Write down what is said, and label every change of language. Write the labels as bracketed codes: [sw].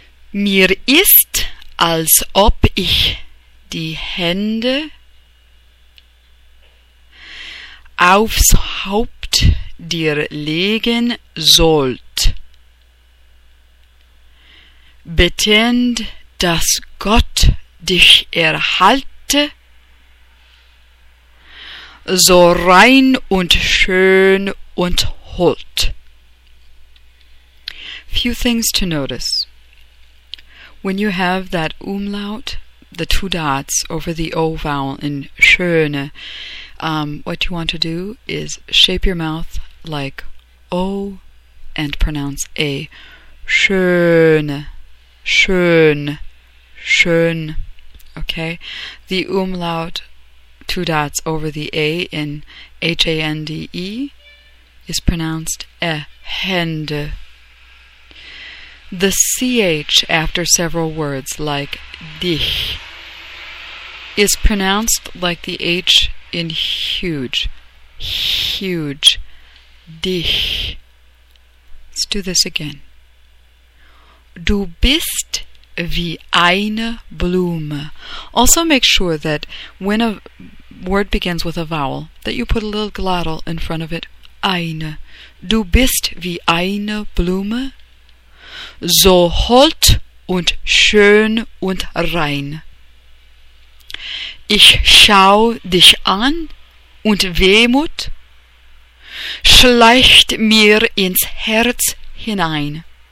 [de] Mir ist, als ob ich die Hände aufs Haupt dir legen sollt, bittend, dass Gott dich erhalte, so rein und schön und hold. [en] Few things to notice. When you have that umlaut, the two dots over the O vowel in schöne, what you want to do is shape your mouth like O and pronounce A. [de] Schön, schön, schön. Okay? [en] The umlaut, two dots over the A in H-A-N-D-E, is pronounced E, Hände. The CH after several words, like dich, is pronounced like the H in huge, huge, dich. Let's do this again. [de] Du bist wie eine Blume. [en] Also make sure that when a word begins with a vowel, that you put a little glottal in front of it. [de] Eine. Du bist wie eine Blume. So hold und schön und rein. Ich schau dich an und Wehmut schleicht mir ins Herz hinein.